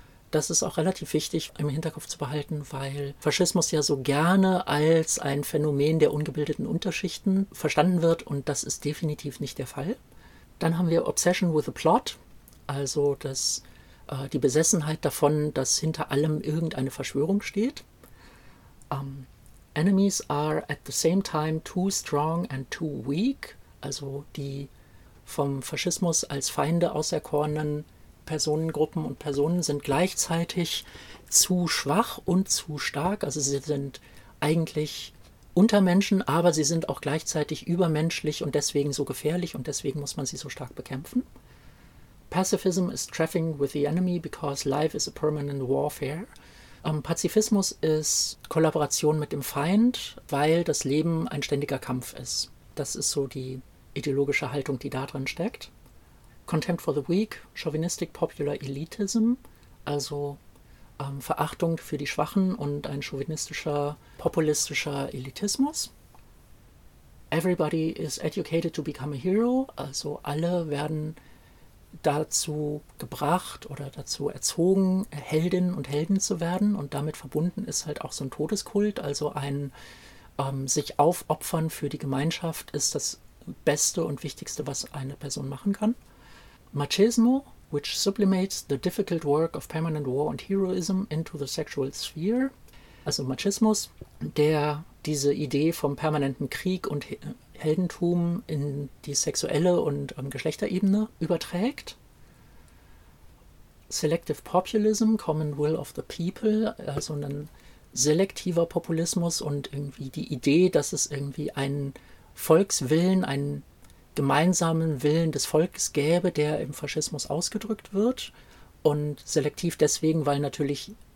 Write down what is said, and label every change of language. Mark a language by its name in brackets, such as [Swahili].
[German] Das ist auch relativ wichtig im Hinterkopf zu behalten, weil Faschismus ja so gerne als ein Phänomen der ungebildeten Unterschichten verstanden wird und das ist definitiv nicht der Fall. Dann haben wir [English] Obsession with the Plot. [German] Also das, die Besessenheit davon, dass hinter allem irgendeine Verschwörung steht. [English] Enemies are at the same time too strong and too weak. [German] Also die vom Faschismus als Feinde auserkorenen Personengruppen und Personen sind gleichzeitig zu schwach und zu stark. Also sie sind eigentlich Untermenschen, aber sie sind auch gleichzeitig übermenschlich und deswegen so gefährlich und deswegen muss man sie so stark bekämpfen. [English] Pacifism is trafficking with the enemy because life is a permanent warfare. [German] Pazifismus ist Kollaboration mit dem Feind, weil das Leben ein ständiger Kampf ist. Das ist so die ideologische Haltung, die da drin steckt. [English] Contempt for the weak, chauvinistic popular elitism, [German] also Verachtung für die Schwachen und ein chauvinistischer, populistischer Elitismus. [English] Everybody is educated to become a hero, [German] also alle werden dazu gebracht oder dazu erzogen, Heldinnen und Helden zu werden. Und damit verbunden ist halt auch so ein Todeskult. Also ein sich aufopfern für die Gemeinschaft ist das Beste und Wichtigste, was eine Person machen kann. [English] Machismo, which sublimates the difficult work of permanent war and heroism into the sexual sphere. [German] Also Machismus, der diese Idee vom permanenten Krieg und Heldentum in die sexuelle und Geschlechterebene überträgt. [English] Selective Populism, Common Will of the People, [German] also ein selektiver Populismus und irgendwie die Idee, dass es irgendwie einen Volkswillen, einen gemeinsamen Willen des Volkes gäbe, der im Faschismus ausgedrückt wird. Und selektiv deswegen, weil natürlich